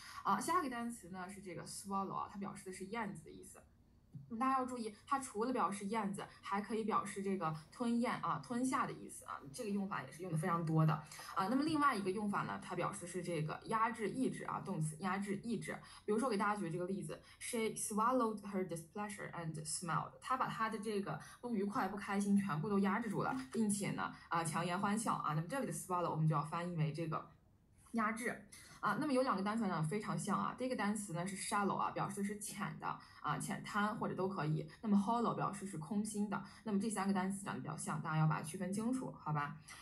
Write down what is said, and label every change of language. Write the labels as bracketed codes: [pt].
[zh] 啊，下一个单词呢是这个 swallow， 它表示的是燕子的意思。大家要注意，它除了表示燕子，还可以表示这个吞咽啊、吞下的意思啊，这个用法也是用的非常多的啊。那么另外一个用法呢，它表示是这个压制、抑制啊，动词压制、抑制。比如说给大家举这个例子 ， [en] She swallowed her displeasure and smiled。 [zh] 她把她的这个不愉快、不开心全部都压制住了，并且呢强颜欢笑啊。那么这里的 swallow 我们就要翻译为这个压制。啊，那么有两个单词呢非常像啊，第一个单词呢是 shallow 啊，表示是浅的啊，浅滩或者都可以。那么 hollow 表示是空心的，那么这三个单词长得比较像，大家要把它区分清楚，好吧？